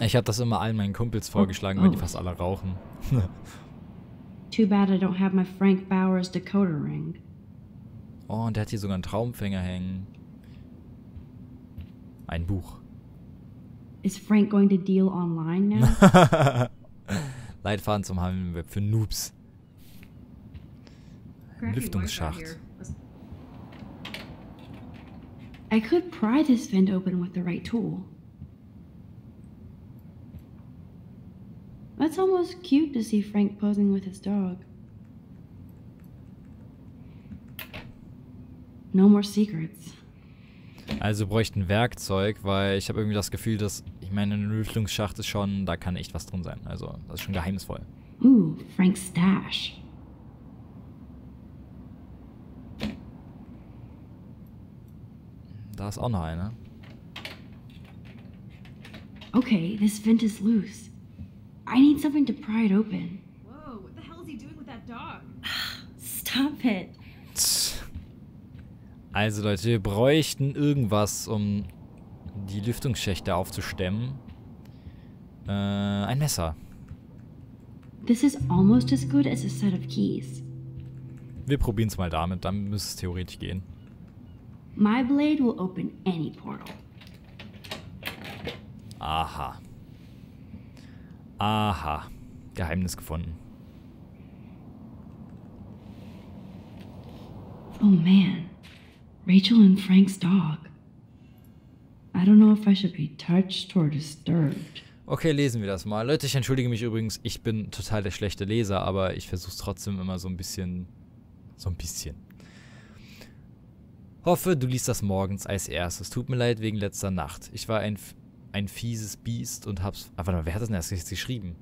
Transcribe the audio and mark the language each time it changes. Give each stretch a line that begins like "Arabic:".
German: Ich habe das immer allen meinen Kumpels vorgeschlagen, weil die fast alle rauchen.
English: Too bad I don't have my Frank Bauer's decoder ring.
German: Oh, und der hat hier sogar einen Traumfänger hängen. Ein Buch.
English: Is Frank going to deal online now?
German: Leitfaden zum Handelweb für Noobs. Lüftungsschacht.
English: I could pry this vent open with the right tool. That's almost cute to see Frank posing with his dog. No more secrets.
German: Also bräuchte ein Werkzeug, weil ich habe irgendwie das Gefühl, dass, ich meine, ein Lüftungsschacht ist schon, da kann echt was drin sein. Also, das ist schon geheimnisvoll.
English: Ooh, Frank's Stash.
German: Da ist auch noch einer.
English: Okay, this vent is loose. I need something to pry it open. Whoa, what the hell is he doing with that dog? Stop it.
German: Also Leute, wir bräuchten irgendwas, um die Lüftungsschächte aufzustemmen. Ein Messer.
English: This is almost as good as a set of keys.
German: Wir probieren es mal damit, dann müsste es theoretisch gehen.
English: My blade will open any portal.
German: Aha. Aha. Geheimnis gefunden.
English: Oh man. Rachel and Frank's dog. I don't know if I should be touched or disturbed.
German: Okay, lesen wir das mal. Leute, ich entschuldige mich übrigens, ich bin total der schlechte Leser, aber ich versuch's trotzdem immer so ein bisschen. Hoffe, du liest das morgens als erstes. Tut mir leid wegen letzter Nacht. Ich war ein fieses Biest und hab's... Ah, warte mal, wer hat das denn erst geschrieben?